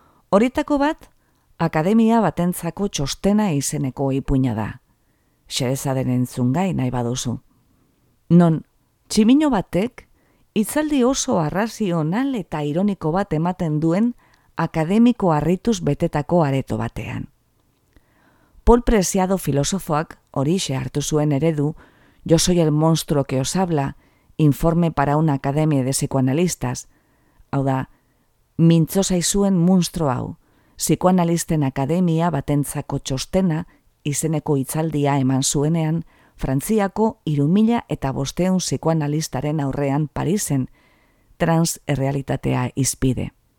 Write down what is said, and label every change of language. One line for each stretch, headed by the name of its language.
Basque: Horietako bat, Akademia batentzako txostena izeneko ipuina da. Xerezaden entzungai nahi baduzu. Non, tximino batek, itzaldi oso arrazional eta ironiko bat ematen duen akademiko harrituz betetako areto batean.
Spanish: Paul Preciado
Basque: filosofoak horixe hartu zuen eredu
Spanish: Yo soy el monstruo que os habla, informe para una academia de psicoanalistas.
Basque: Hau da, mintzo zaizuen monstruo hau, psikoanalisten akademia batentzako txostena izeneko itzaldia eman zuenean Frantziako 3500 psikoanalistaren aurrean Parisen, trans errealitatea izpide.